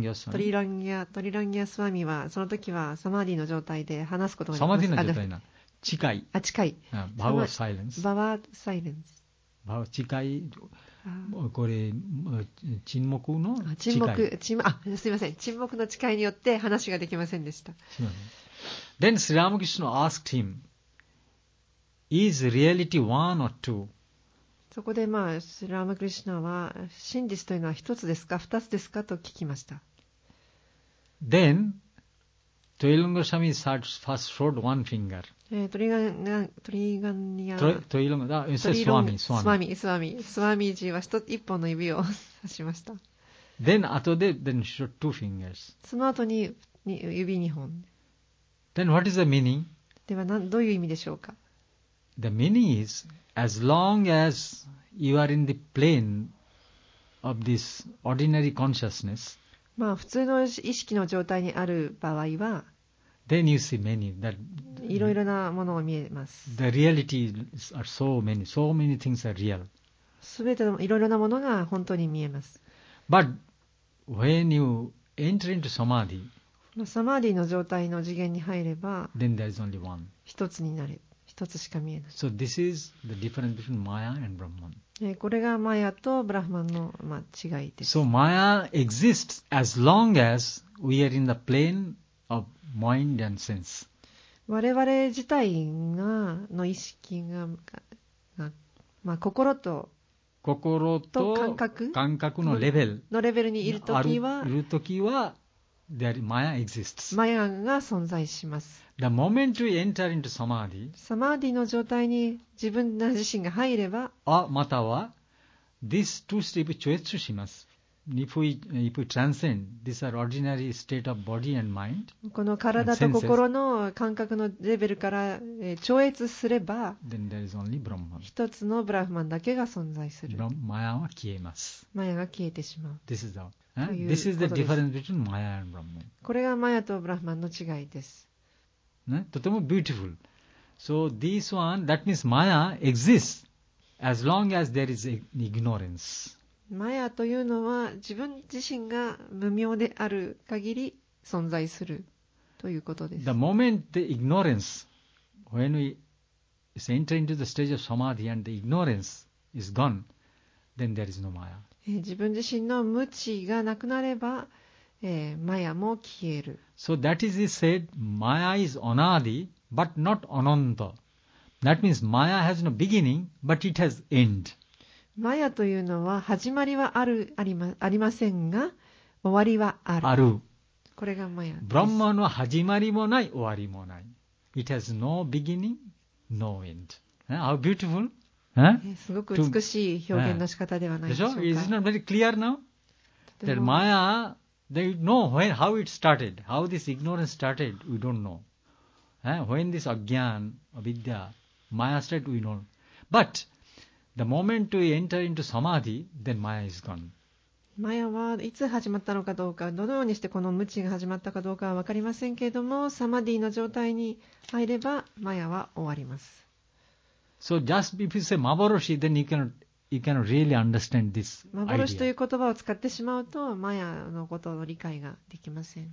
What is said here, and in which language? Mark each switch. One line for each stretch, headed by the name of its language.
Japanese: トリランギャスワミはその時はサマーディの状態で話すことができます。サマーディの状態な。近い。あ、近い。バワーサイレンス。バワーサイレンス。バワー近い。これ、沈黙の近い。沈黙、すみません。沈黙の近いによって話ができませんでした。
English: Then Sri Ramakrishna asked him, Is reality one or two?
Japanese: そこで、まあ、シラマクリシナは真実というのは一つですか二つですかと聞きました。
English: Then, Toilung Goswami starts first showed one finger.
Japanese: Swamiji は一本の指を指しました。
English: Then after that, then showed two fingers.
Japanese: その後に指二本。
English: Then what is the meaning?
Japanese: ではどういう意味でしょうか?
English: The meaning is, as long as you are in the plane of this ordinary consciousness,
Japanese: まあ、普通の意識の状態にある場合は、
English: Then you see many, that,
Japanese: いろいろなものが見えます。
English: The reality are so many, so many things are real.
Japanese: すべてのいろいろなものが本当に見えます。
English: But when you enter into samadhi,
Japanese: サマーディの状態の次元に入れば、
English: Then there is only one.
Japanese: 一つになる、一つしか見えない。
English: So this is the difference between Maya and Brahman.
Japanese: これがマヤとブラフマンの違いです。
English: So Maya exists as long as we are in the plane of mind and sense.
Japanese: 我々自体がの意識が、まあ、心と、心と感覚、感覚のレベル、のレベルにいるときは、いるときは、
English: Maya exists.
Japanese: マヤが存在します。
English: The moment we enter into samadhi,
Japanese: サマーディの状態に自分の自身が入れば、あまたは、
English: these two states
Japanese: を超越します。
English: If we transcend, these are ordinary state of body and mind.
Japanese: この体と心の感覚のレベルから超越すれば、
English: then there is only Brahman.
Japanese: 一つのブラフマンだけが存在する。マヤは消えます。マヤが消えてしまう。
English: This is the, this is the difference between Maya and Brahman.
Japanese: これがマヤとブラフマンの違いです。ね、とても beautiful.
English: So this one, that means Maya exists as long as there is ignorance.
Japanese: Maya というのは自分自身が無明である限り存在するということです。
English: The moment the ignorance, when we enter into the stage of samadhi and the ignorance is gone, then there is no Maya.
Japanese: 自分自身の無知がなくなれば、マヤも消える。
English: So that is he said, Maya is anadi, but not ananta. That means Maya has no beginning, but it has end.
Japanese: マヤというのは始まりはある、ありませんが、終わりはある。ある。これがマヤ。ブラッマンは始まりもない、終わりもない。
English: It has no beginning, no end. How beautiful?、
Japanese: すごく美しい表現の仕方ではないでしょうか。
English: Is it not very clear now? That Maya... They know when, how it started, how this ignorance started, we don't know. When this ajnana, avidya, maya started, we know. But the moment we enter into samadhi, then maya is gone.
Japanese: Maya はいつ始まったのかどうか、どのようにしてこの無知が始まったかどうかは分かりませんけれども、サマディの状態に入れば、maya は終わります。
English: So just if you say maboroshi, then you cannot... You can really understand this idea.
Japanese: 幻という言葉を使ってしまうとマヤのことの理解ができません。